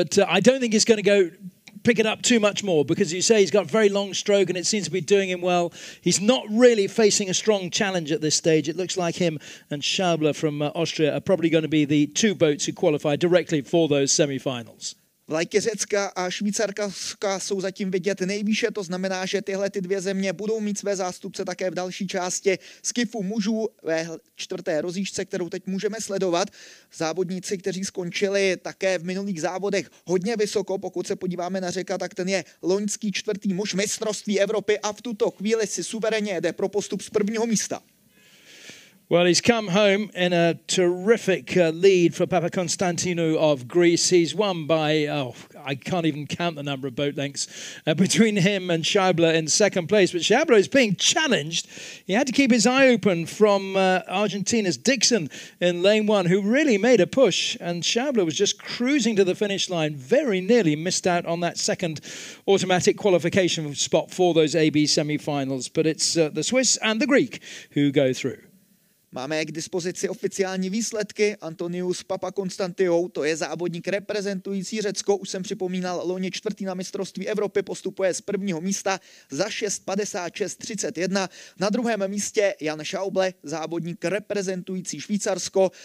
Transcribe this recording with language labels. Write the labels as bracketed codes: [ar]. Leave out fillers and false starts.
[en] But I don't think he's going to go pick it up too much more because, as you say, he's got a very long stroke and it seems to be doing him well. He's not really facing a strong challenge at this stage. It looks like him and Schaubler from Austria are probably going to be the two boats who qualify directly for those semifinals. [cs] Vlajky Řecka a Švýcarska jsou zatím vidět nejvýše, to znamená, že tyhle ty dvě země budou mít své zástupce také v další části skifu mužů ve čtvrté rozjížce, kterou teď můžeme sledovat. Závodníci, kteří skončili také v minulých závodech hodně vysoko, pokud se podíváme na Řeka, tak ten je loňský čtvrtý muž mistrovství Evropy a v tuto chvíli si suverénně jede pro postup z prvního místa. [en] Well, he's come home in a terrific lead for Papa Konstantinou of Greece. He's won by, I can't even count the number of boat lengths between him and Schaubler in second place. But Schaubler is being challenged. He had to keep his eye open from Argentina's Dixon in lane one, who really made a push. And Schaubler was just cruising to the finish line, very nearly missed out on that second automatic qualification spot for those AB semifinals. But it's the Swiss and the Greek who go through. [cs] Máme k dispozici oficiální výsledky. Antonius Papakonstantinou, to je závodník reprezentující Řecko, už jsem připomínal, loni čtvrtý na mistrovství Evropy, postupuje z prvního místa za 6:56:31. Na druhém místě Jan Schauble, závodník reprezentující Švýcarsko.